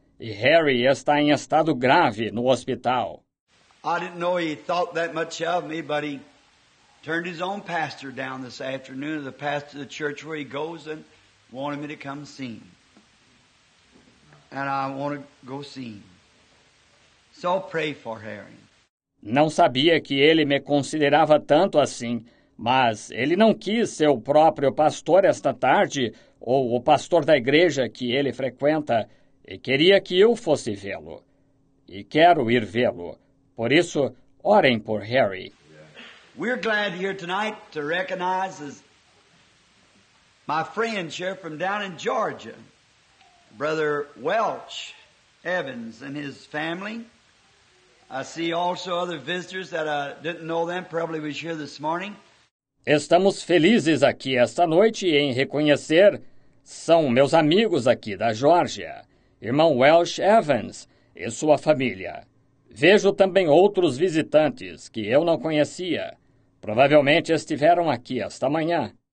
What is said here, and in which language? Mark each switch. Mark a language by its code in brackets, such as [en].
[pt] E Harry está em estado grave no hospital. [en] I didn't know he thought that much of me, but he turned his own pastor down this afternoon, the pastor of the church where he goes, and wanted me to come see him. And I want to go see him. So pray for Harry. [pt] Não sabia que ele me considerava tanto assim. Mas ele não quis ser o próprio pastor esta tarde, ou o pastor da igreja que ele frequenta, e queria que eu fosse vê-lo. E quero ir vê-lo. Por isso, orem por Harry. [en] We're glad here tonight to recognize my friend here from down in Georgia, Brother Welch Evans and his family. I see also other visitors that I didn't know them, probably was here this morning. [pt] Estamos felizes aqui esta noite em reconhecer, são meus amigos aqui da Geórgia, irmão Welch Evans e sua família. Vejo também outros visitantes que eu não conhecia. Provavelmente estiveram aqui esta manhã.